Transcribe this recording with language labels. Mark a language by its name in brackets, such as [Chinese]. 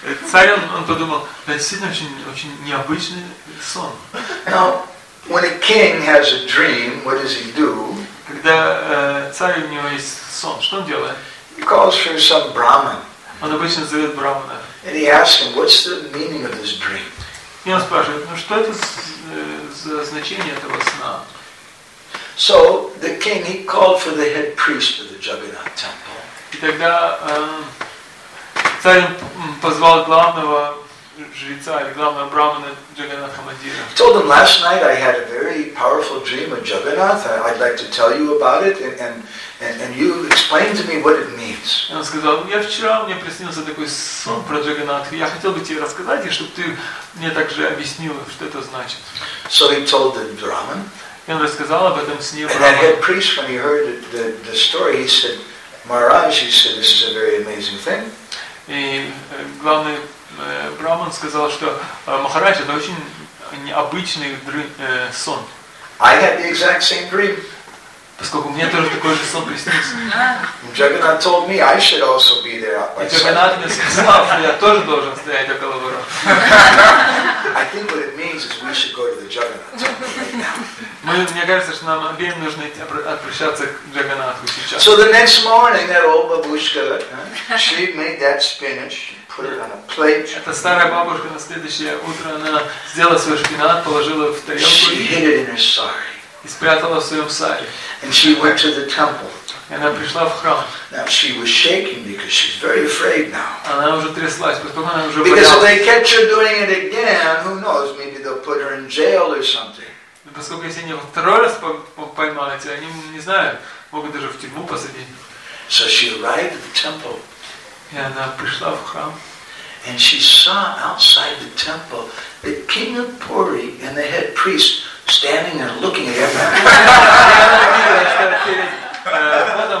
[Russian] Царь, он подумал, это действительно очень необычный сон. [English] Now, when a king has a dream, what does he do? [Russian] Когда царь, у него есть сон, что он делает? [English] He calls for some brahmin. [Russian] Он обычно зовет брахмана. [English] And he asks him, what's the meaning of this dream? [Russian] И он спрашивает, ну что это за значение этого сна? [English] So the king, he called for the head priest of the Juggernaut temple. [Russian] И тогда царь позвал главного жреца или главного брахмана Джаганнатха Мандира. [English] He told him, last night I had a very powerful dream of Juggernauth. I'd like to tell you about it and you explain to me what it means. [Russian] Он сказал, я вчера мне приснился такой сон про Джаганнатху. Я хотел бы тебе рассказать, и чтобы ты мне также объяснил, что это значит. [English] So he told the Brahman. [Russian] И он рассказал об этом сне Брахмана. [English] And the head priest, when he heard the story, he said, Maharaj, he said, this is a very amazing thing. [Russian] И главный Брахман сказал, что Махарадж, это очень необычный сон. [English] I had the exact same dream. [Russian] Поскольку мне тоже такой же сон приснился. [English] Джаганнат told me I should also be there up myself. [Russian] Джаганнат мне сказал, что я тоже должен стоять около ворот. [English] I think what it means is we should go to the Juggernaut temple right now. [Russian] Мне кажется, что нам обеим нужно обращаться к Джаганнатху сейчас. [English] So the next morning, that old бабушка, she made that spinach, put it on a plate. [Russian] Эта старая бабушка на следующее утро она сделала свой шпинат, положила в тарелку. [English] She hid it in her sari. [Russian] И спрятала в своем саре. [English] And she went to the temple. [Russian] Она пришла в храм. [English] Now she was shaking because she's very afraid now. [Russian] Она уже тряслась, потому она уже боялась. [English] Because if they catch her doing it again, who knows? Maybe they'll put her in jail or something. [Russian] Поскольку если ее второй раз поймают, они не знают, могут даже в тюрьму посадить. [English] So she arrived at the temple. [Russian] И она пришла в храм. [English] And she saw outside the temple the king of Puri and the head priest standing there looking at everybody.